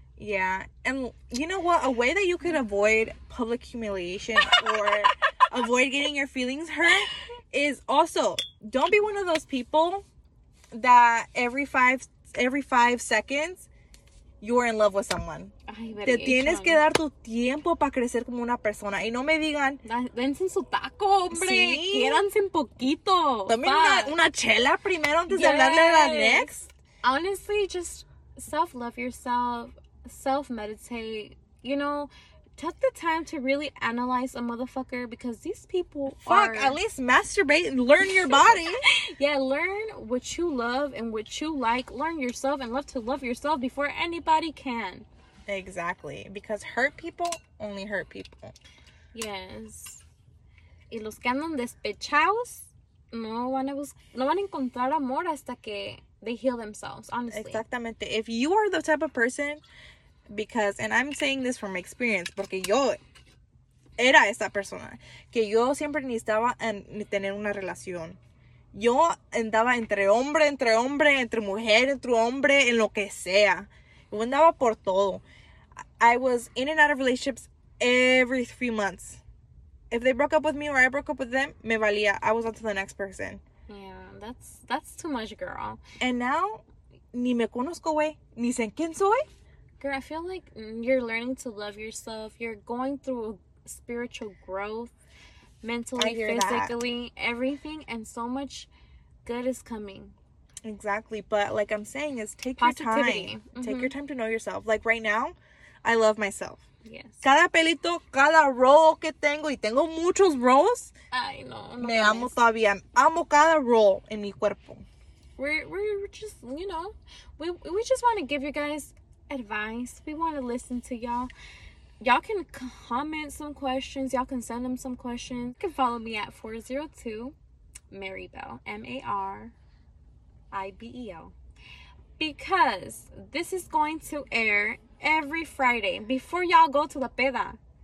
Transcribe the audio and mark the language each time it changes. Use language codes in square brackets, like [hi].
[en] Yeah, and you know what? A way that you could avoid public humiliation or avoid getting your feelings hurt is also don't be one of those people that every five seconds you're in love with someone. [es] Ay, verga. Te tienes que dar tu tiempo para crecer como una persona. Y no me digan. Dense en su taco, hombre. Sí. Quédanse un poquito. Dame una chela primero antes de hablarle a la next. [en] Honestly, just self-love yourself. Self-meditate, you know, take the time to really analyze a motherfucker, because these people at least masturbate and learn your body. Yeah, learn what you love and what you like. Learn yourself and love to love yourself before anybody can. Exactly, because hurt people only hurt people. [es] Yes. Y los que andan despechados no van a encontrar amor hasta que [en] they heal themselves, honestly. Exactamente. If you are the type of person, because, and I'm saying this from experience, [es] porque yo era esa persona que yo siempre necesitaba tener una relación. Yo andaba entre hombre, entre mujer, entre hombre, en lo que sea. Yo andaba por todo. [en] I was in and out of relationships every 3 months. If they broke up with me or I broke up with them, [es] me valía. [en] I was on to the next person. Yeah, that's too much, girl. And now, [es] ni me conozco, güey. Ni sé quién soy. [en] Girl, I feel like you're learning to love yourself. You're going through a spiritual growth, mentally, physically, everything, and so much good is coming. Exactly. But like I'm saying, is take positivity. Your time. Mm-hmm. Take your time to know yourself. Like right now, I love myself. Yes. [es] Cada pelito, cada roll que tengo, y tengo muchos rolls. [en] I know. [es] Me amo todavía. Amo cada roll en mi cuerpo. [en] We're just, you know, we just want to give you guys advice. We want to listen to y'all can comment some questions, y'all can send them some questions. You can follow me at 402 Maribel, MARIBEL, because this is going to air every Friday before y'all go to the peda,